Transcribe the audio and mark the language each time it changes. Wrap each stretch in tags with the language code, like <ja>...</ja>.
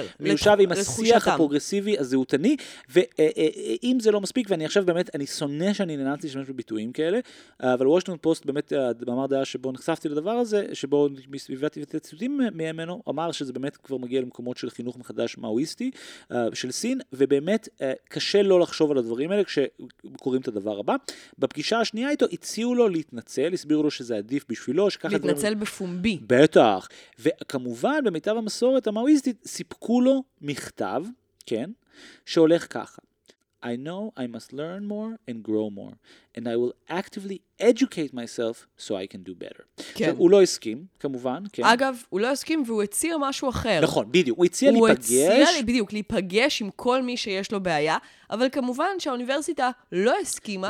<he>להיות מיושב עם השיח הפרוגרסיבי הזהותני, ואם זה לא מספיק, ואני עכשיו באמת, אני שונא שאני ננצתי לשמש בביטויים כאלה, אבל וושינגטון פוסט באמת, במאמר דעה שבו נחשפתי לדבר הזה, שבו מסביבתי את הציטוטים מימנו, אמר שזה באמת כבר מגיע למקומות של חינוך מחדש מאויסטי, של סין, ובאמת קשה לא לחשוב על הדברים האלה כשקוראים את הדבר הבא. בפגישה השנייה איתו הציעו לו להתנצל, הסבירו לו שזה עדיף בשבילו, שככה להתנצל בפומבי. בטח. וכמובן, במיטב המסורת המאויסטית, סיפקו לו מכתב, כן, שהולך ככה.</he> <en>I know I must learn more and grow more, and I will actively educate myself so I can do better.</en> <he>כן. הוא לא הסכים, כמובן, כן. אגב, הוא לא הסכים, והוא הציע משהו אחר. נכון, בדיוק. הוא הציע להיפגש. בדיוק, להיפגש עם כל מי שיש לו בעיה, אבל כמובן שהאוניברסיטה לא הסכימה.</he>